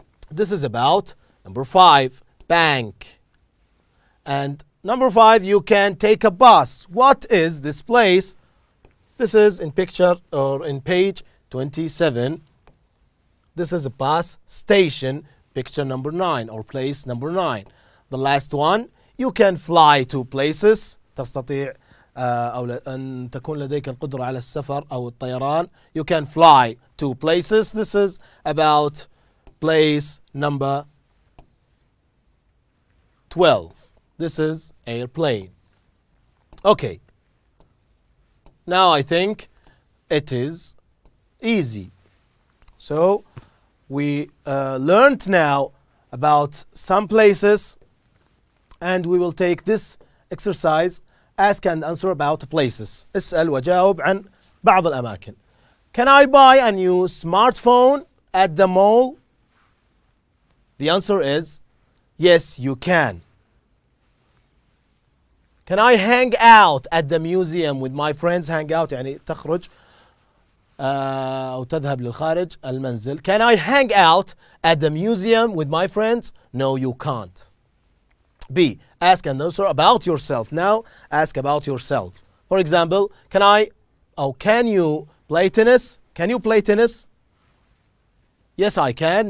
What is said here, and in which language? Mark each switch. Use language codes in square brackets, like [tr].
[en] This is about number 5. Bank. And number 5, you can take a bus. What is this place? This is in picture or in page 27. This is a bus station, picture number 9 or place number 9. The last one, you can fly to places. [ar] تستطيع أو أن تكون لديك القدرة على السفر أو الطيران. [en] You can fly to places. This is about place number 12. This is airplane. Okay. Now I think it is easy. So we learned now about some places, and we will take this exercise, ask and answer about places. [ar] اسأل وجاوب عن بعض الأماكن. [en] Can I buy a new smartphone at the mall? The answer is yes, you can. Can I hang out at the museum with my friends? [ar] Hang out يعني تخرج أو تذهب للخارج المنزل. [en] Can I hang out at the museum with my friends? No, you can't. B. Ask and answer about yourself. Now, ask about yourself. For example, can you play tennis? Can you play tennis? Yes, I can.